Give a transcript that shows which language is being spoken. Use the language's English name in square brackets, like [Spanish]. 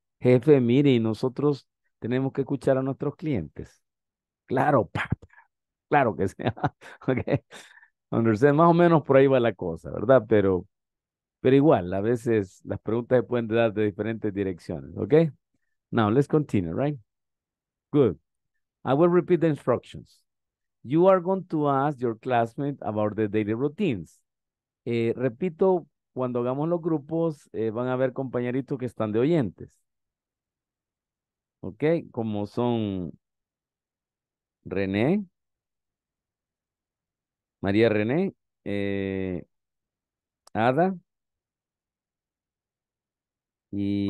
[Spanish] Jefe, mire, y nosotros tenemos que escuchar a nuestros clientes. Claro, papá, claro que sea. Okay. [English] Understand, [Spanish] más o menos por ahí va la cosa, ¿verdad? Pero igual, a veces las preguntas se pueden dar de diferentes direcciones, ¿ok? [English] Now, let's continue, right? Good. I will repeat the instructions. You are going to ask your classmate about the daily routines. [Spanish] Repito, cuando hagamos los grupos, van a haber compañeritos que están de oyentes. ¿Ok? Como son René, María René, Ada, y...